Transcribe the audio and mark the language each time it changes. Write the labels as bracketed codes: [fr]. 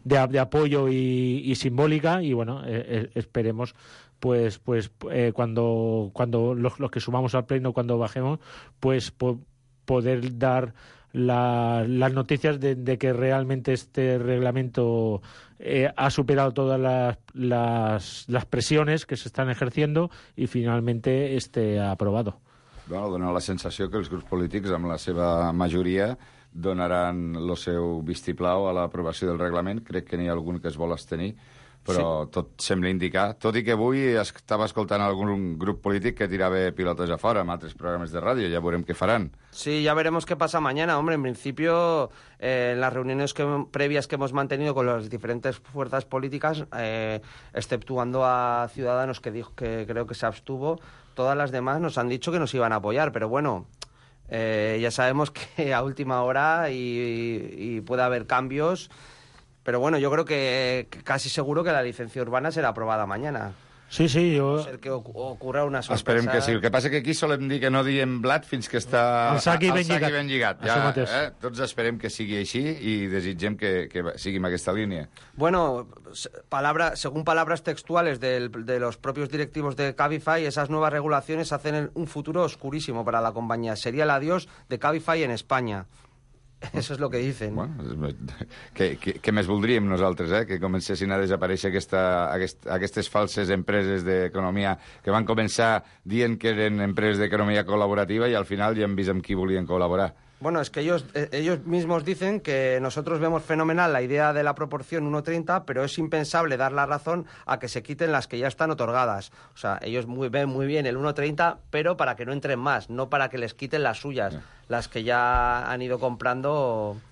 [es] de apoyo y simbólica, y bueno, esperemos pues cuando los que sumamos al pleno, cuando bajemos, pues poder dar las noticias de que realmente este reglamento ha superado todas las presiones que se están ejerciendo y finalmente esté aprobado. [ca] Bueno, dona la sensació que els grups polítics, amb la seva majoria, donaran el seu vistiplau a l'aprovació del reglament. Crec que n'hi ha algun que es vol abstenir, però sí, tot sembla indicar. Tot i que avui estava escoltant algun grup polític que tirava pilotes a fora amb altres programes de ràdio. Ja veurem què faran. [es] Sí, ya veremos qué pasa mañana. Hombre, en principio, en las reuniones previas que hemos mantenido con las diferentes fuerzas políticas, exceptuando a Ciudadanos, que dijo que creo que se abstuvo, todas las demás nos han dicho que nos iban a apoyar, pero bueno, ya sabemos que a última hora y puede haber cambios, pero bueno, yo creo que casi seguro que la licencia urbana será aprobada mañana. [ca] Sí, sí, jo... Ser que ocorra una sorpresa... Esperem que sí. El que passa que aquí solem dir que no diem blat fins que està... El saqui ben, ben lligat. Ja, tots esperem que sigui així i desitgem que sigui en aquesta línia. [es] Bueno, según palabras textuales de los propios directivos de Cabify, esas nuevas regulaciones hacen un futuro oscurísimo para la compañía. Sería el adiós de Cabify en España. Eso es lo que dicen. [ca] Bueno, què més voldríem nosaltres, eh? Que comencessin a desaparèixer aquestes falses empreses d'economia que van començar dient que eren empreses d'economia col·laborativa i al final ja hem vist amb qui volien col·laborar. [es] Bueno, es que ellos mismos dicen que nosotros vemos fenomenal la idea de la proporción 1:30, pero es impensable dar la razón a que se quiten las que ya están otorgadas. O sea, ellos ven muy bien el 1:30, pero para que no entren más, no para que les quiten las suyas, sí. Las que ya han ido comprando.